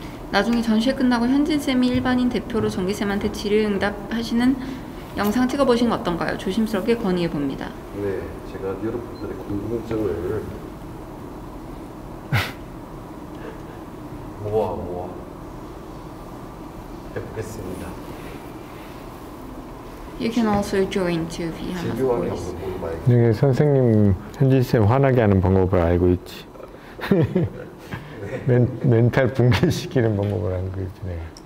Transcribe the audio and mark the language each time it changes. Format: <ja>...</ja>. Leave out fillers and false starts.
<ko>나중에 전시회 끝나고 현진 쌤이 일반인 대표로 정기 쌤한테 질의응답하시는 영상 찍어보신 거 어떤가요? 조심스럽게 건의해 봅니다. 네, 제가 여러분들의 궁금증을 모아 해보겠습니다.</ko> <en>You can also join to be a voice.</en> <ko>여기 선생님 현진 쌤 화나게 하는 방법을 알고 있지. 멘탈 붕괴시키는 방법을 한 거지, 내가.</ko>